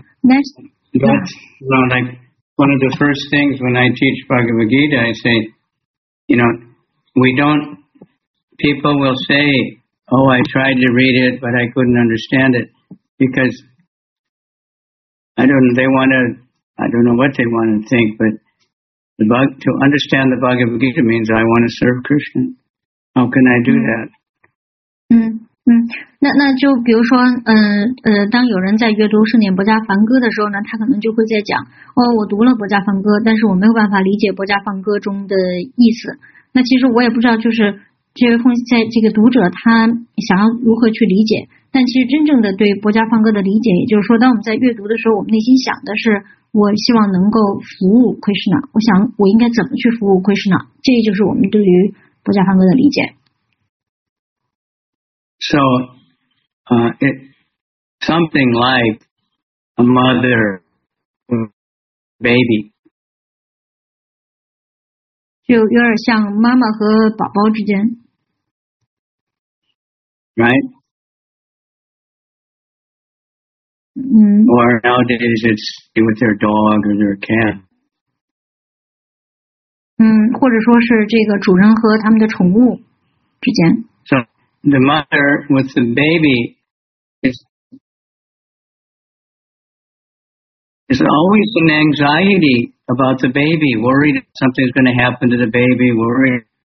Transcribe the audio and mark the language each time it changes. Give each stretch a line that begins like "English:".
English: like one of the first things when I teach Bhagavad Gita, I say, you know, people will say, oh, I tried to read it, but I couldn't understand it. Because, I don't know what they want to think, but to understand the Bhagavad Gita means I want to serve Krishna. How can I do that? Mm-hmm.
Chinese: 那就比如说当有人在阅读圣典博伽梵歌的时候呢，他可能就会在讲，哦，我读了博伽梵歌，但是我没有办法理解博伽梵歌中的意思。那其实我也不知道，就是这位奉在这个读者他想要如何去理解。但其实真正的对博伽梵歌的理解，也就是说当我们在阅读的时候，我们内心想的是，我希望能够服务 Krishna， 我想我应该怎么去服务 Krishna， 这就是我们对于博伽梵歌的理解。
English: So, something like a mother, baby.
Chinese: 就有点像妈妈和宝宝之间。
English: Right? Mm-hmm. Or nowadays it's with their dog or their cat.
Chinese: 或者说是这个主人和他们的宠物之间。
English: So,the mother with the baby is always an anxiety about the baby, worried something's going to happen to the baby, worried